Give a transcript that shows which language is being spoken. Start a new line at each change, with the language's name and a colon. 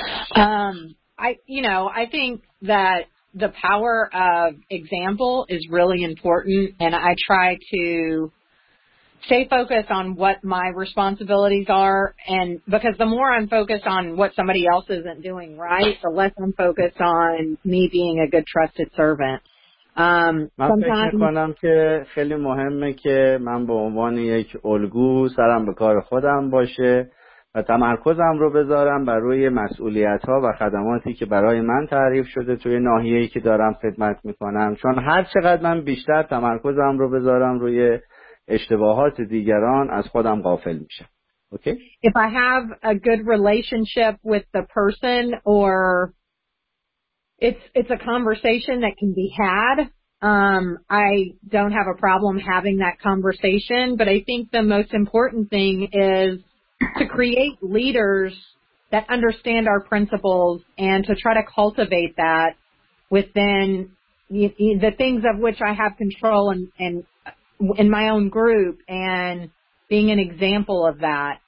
English: I think that the power of example is really important, and I try to stay focused on what my responsibilities are, and because the more I'm focused on what somebody else isn't doing right, the less I'm focused on me being a good trusted servant.
Persian: من فکر میکنم که خیلی مهمه که من به عنوان یک الگو سرم به کار خودم باشه و تمرکزم رو بذارم بر روی مسئولیت ها و خدماتی که برای من تعریف شده توی ناحیه‌ای که دارم خدمت میکنم، چون هر چقدر من بیشتر تمرکزم رو بذارم روی اشتباهات دیگران از خودم غافل میشم.
English: Okay? If I have a good relationship with the person or It's a conversation that can be had. I don't have a problem having that conversation, but I think the most important thing is to create leaders that understand our principles and to try to cultivate that within the things of which I have control and in my own group and being an example of that.